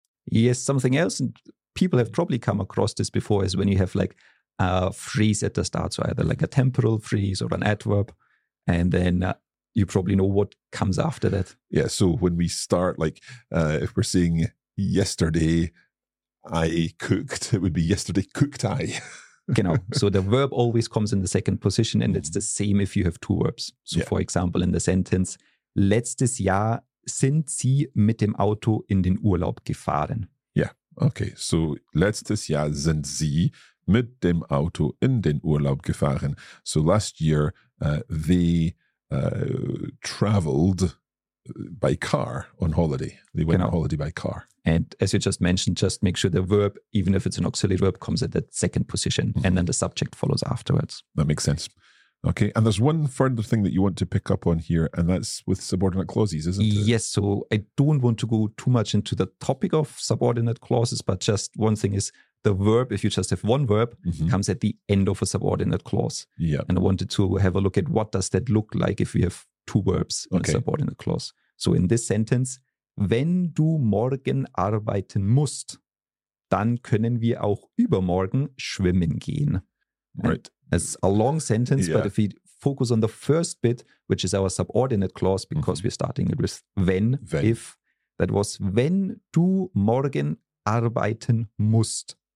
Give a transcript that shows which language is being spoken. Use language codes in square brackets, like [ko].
[en] Yes, something else, and people have probably come across this before, is when you have like a phrase at the start, so either like a temporal phrase or an adverb, and then you probably know what comes after that. Yeah, so when we start, like if we're saying yesterday I cooked, it would be yesterday cooked I. Genau, so the verb always comes in the second position, and it's the same if you have two verbs. So for example, in the sentence, [de] letztes Jahr sind Sie mit dem Auto in den Urlaub gefahren. [en] Yeah, okay, so [de] letztes Jahr sind Sie mit dem Auto in den Urlaub gefahren. [en] So last year, they traveled by car on holiday. They went on holiday by car. And as you just mentioned, just make sure the verb, even if it's an auxiliary verb, comes at that second position. Mm-hmm. And then the subject follows afterwards. That makes sense. Okay. And there's one further thing that you want to pick up on here, and that's with subordinate clauses, isn't it? Yes. So I don't want to go too much into the topic of subordinate clauses, but just one thing is the verb, if you just have one verb, mm-hmm. comes at the end of a subordinate clause. Yeah. And I wanted to have a look at what does that look like if we have two verbs in a subordinate clause. So in this sentence, [de] wenn du morgen arbeiten musst, dann können wir auch übermorgen schwimmen gehen. [en] Right. It's a long sentence, but if we focus on the first bit, which is our subordinate clause, because we're starting it with wenn. If, that was [de] wenn du morgen arbeiten musst.